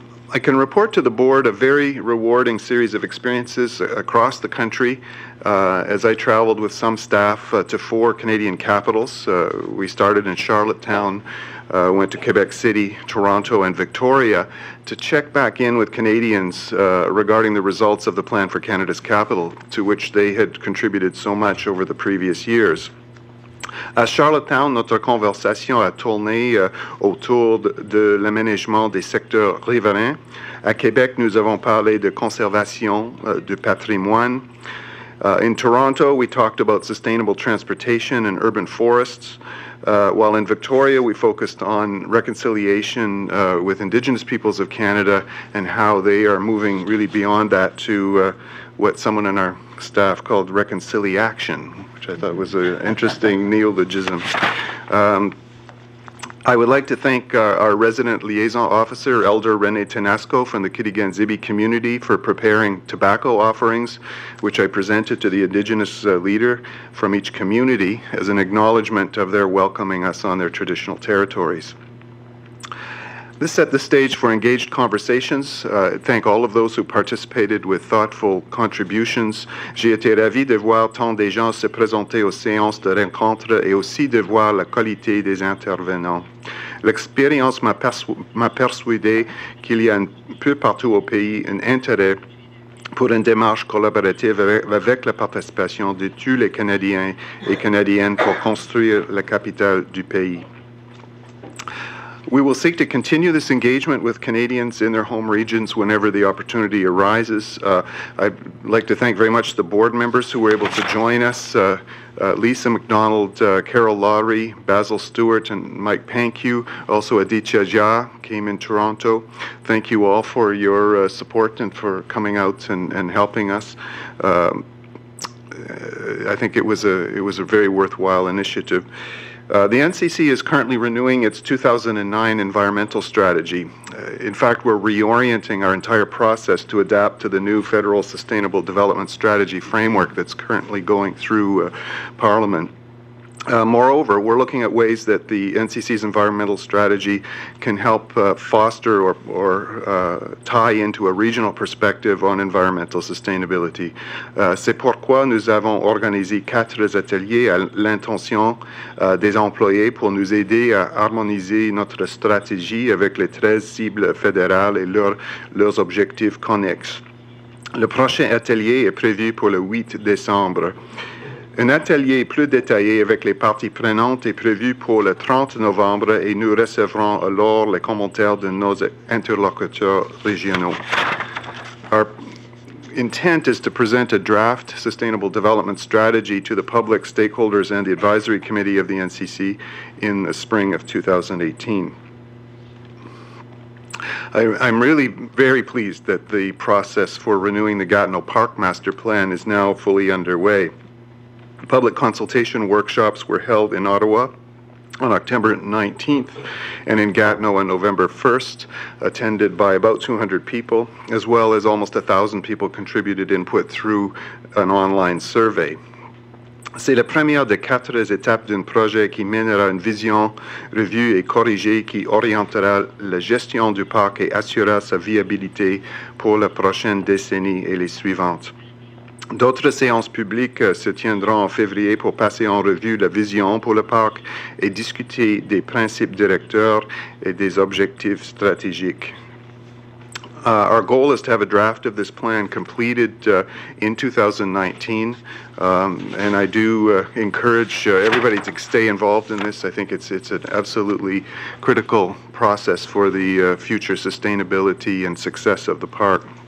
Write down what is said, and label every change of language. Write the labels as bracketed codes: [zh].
[en] I can report to the board a very rewarding series of experiences across the country as I traveled with some staff to four Canadian capitals. We started in Charlottetown, went to Quebec City, Toronto, and Victoria to check back in with Canadians regarding the results of the Plan for Canada's Capital, to which they had contributed so much over the previous years. [fr] À Charlottetown, notre conversation a tourné autour de l'aménagement des secteurs riverains. À Québec, nous avons parlé de conservation du patrimoine. [en] In Toronto, we talked about sustainable transportation and urban forests. While in Victoria, we focused on reconciliation with Indigenous peoples of Canada and how they are moving really beyond that to what someone in our staff called reconciliation, which I thought was an interesting neologism. I would like to thank our resident liaison officer, Elder René Tenasco from the Kitiganzibi community for preparing tobacco offerings, which I presented to the Indigenous leader from each community as an acknowledgement of their welcoming us on their traditional territories. This set the stage for engaged conversations. Thank all of those who participated with thoughtful contributions. [fr] J'ai été ravi de voir tant des gens se présenter aux séances de rencontre et aussi de voir la qualité des intervenants. L'expérience m'a persuadé qu'il y a un peu partout au pays un intérêt pour une démarche collaborative avec la participation de tous les Canadiens et Canadiennes pour construire la capitale du pays. [en] We will seek to continue this engagement with Canadians in their home regions whenever the opportunity arises. I'd like to thank very much the board members who were able to join us, Lisa McDonald, Carol Lawry, Basil Stewart, and Mike Pankew. Also, Aditya Jha came in Toronto. Thank you all for your support and for coming out and helping us. I think it was a very worthwhile initiative. The NCC is currently renewing its 2009 environmental strategy. In fact, we're reorienting our entire process to adapt to the new federal sustainable development strategy framework that's currently going through Parliament. Moreover, we're looking at ways that the NCC's environmental strategy can help foster or tie into a regional perspective on environmental sustainability. [fr] C'est pourquoi nous avons organisé quatre ateliers à l'intention des employés pour nous aider à harmoniser notre stratégie avec les 13 cibles fédérales et leurs objectifs connexes. Le prochain atelier est prévu pour le 8 décembre. Un atelier plus détaillé avec les parties prenantes est prévu pour le 30 novembre et nous recevrons alors les commentaires de nos interlocuteurs régionaux. [en] Our intent is to present a draft sustainable development strategy to the public stakeholders and the advisory committee of the NCC in the spring of 2018. I'm really very pleased that the process for renewing the Gatineau Park Master Plan is now fully underway. Public consultation workshops were held in Ottawa on October 19th, and in Gatineau on November 1st, attended by about 200 people, as well as almost 1,000 people contributed input through an online survey. [fr] C'est la première des quatre étapes d'un projet qui mènera une vision revue et corrigée qui orientera la gestion du parc et assurera sa viabilité pour la prochaine décennie et les suivantes. D'autres séances publiques se tiendront en février pour passer en revue la vision pour le parc et discuter des principes directeurs et des objectifs stratégiques. [en] Our goal is to have a draft of this plan completed in 2019, and I do encourage everybody to stay involved in this. I think it's an absolutely critical process for the future sustainability and success of the park.